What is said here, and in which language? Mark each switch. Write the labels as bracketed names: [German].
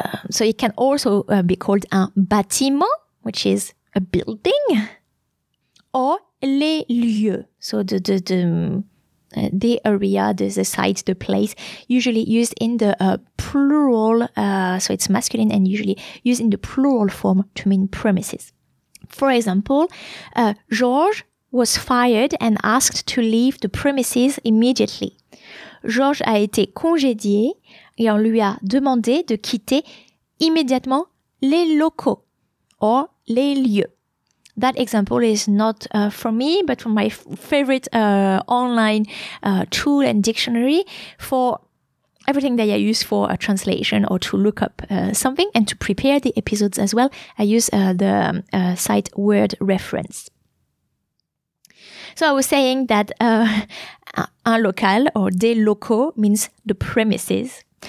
[English] So it can also be called un bâtiment, which is a building, or les lieux, so the area, the site, the place, usually used in the plural, so it's masculine and usually used in the plural form to mean premises. For example, Georges was fired and asked to leave the premises immediately. [French] Georges a été congédié et on lui a demandé de quitter immédiatement les locaux or les lieux. [English] That example is not from me, but from my favorite online tool and dictionary for everything that I use for a translation or to look up something and to prepare the episodes as well. I use the site Word Reference. So I was saying that un local or des locaux means the premises.